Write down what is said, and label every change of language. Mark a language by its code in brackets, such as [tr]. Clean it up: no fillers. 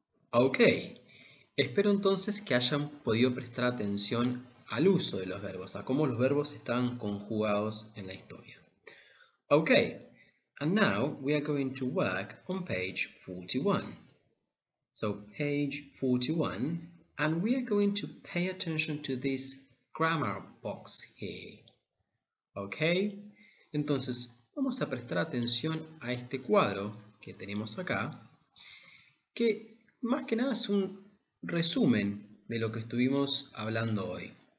[es] Ok, espero entonces que hayan podido prestar atención al uso de los verbos, a cómo los verbos están conjugados en la historia. [en] Ok, and now we are going to work on page 41. So, page 41, and we are going to pay attention to this grammar box here. [es] Ok, entonces vamos a prestar atención a este cuadro que tenemos acá, que más que nada es un resumen de lo que estuvimos hablando hoy.